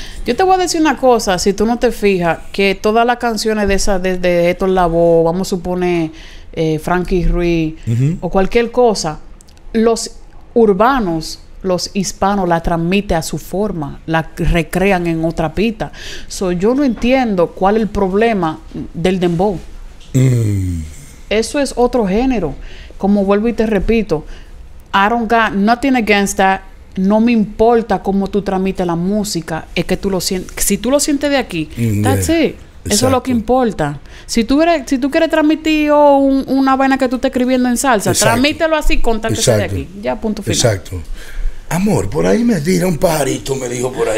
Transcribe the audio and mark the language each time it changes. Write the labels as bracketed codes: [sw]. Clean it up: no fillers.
[es] Yo te voy a decir una cosa, si tú no te fijas, que todas las canciones de esas, de Héctor Lavoe, vamos a suponer Frankie Ruiz, o cualquier cosa, los urbanos, los hispanos la transmiten a su forma, la recrean en otra pita. So, yo no entiendo cuál es el problema del dembow. Eso es otro género. Como vuelvo y te repito, [en] I don't got nothing against that. [es] No me importa cómo tú transmites la música. Es que tú lo sientes. Si tú lo sientes de aquí, [en] that's it. [es] Exacto. Eso es lo que importa. Si tú quieres transmitir una vaina que tú estás escribiendo en salsa, transmítelo así, contáctese de aquí. Ya, punto final. Exacto. Amor, por ahí me tira un pajarito, me dijo por ahí.